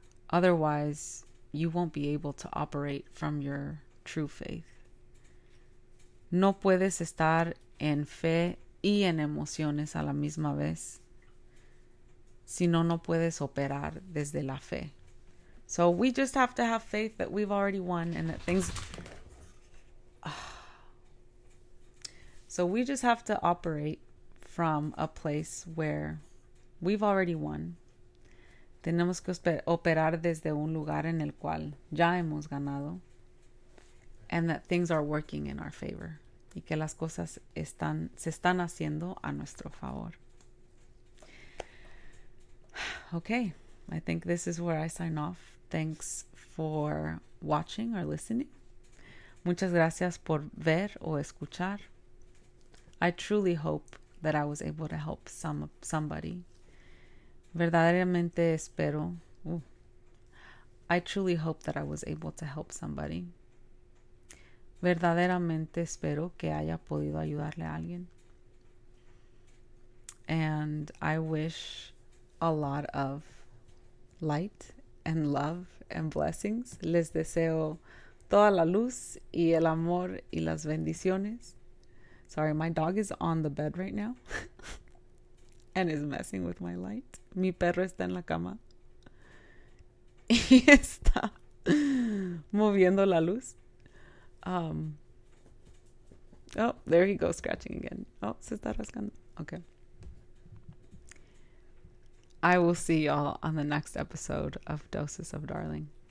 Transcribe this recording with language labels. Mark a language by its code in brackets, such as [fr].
[en] Otherwise, you won't be able to operate from your true faith. [es] No puedes estar en fe y en emociones a la misma vez. Si no, no puedes operar desde la fe. [en] So we just have to have faith that we've already won and that things... So we just have to operate from a place where we've already won. [es] Tenemos que operar desde un lugar en el cual ya hemos ganado. [en] And that things are working in our favor. [es] Y que las cosas se están haciendo a nuestro favor. [en] Okay, I think this is where I sign off. Thanks for watching or listening. [es] Muchas gracias por ver o escuchar. [en] I truly hope that I was able to help somebody. [es] Verdaderamente espero. [en] I truly hope that I was able to help somebody. [es] Verdaderamente espero que haya podido ayudarle a alguien. [en] And I wish a lot of light and love and blessings. [es] Les deseo toda la luz y el amor y las bendiciones. [en] Sorry, my dog is on the bed right now and is messing with my light. [es] Mi perro está en la cama y está moviendo la luz. [en] Oh, there he goes scratching again. [es] Oh, se está rascando. [en] Okay. I will see y'all on the next episode of Doses of Darling.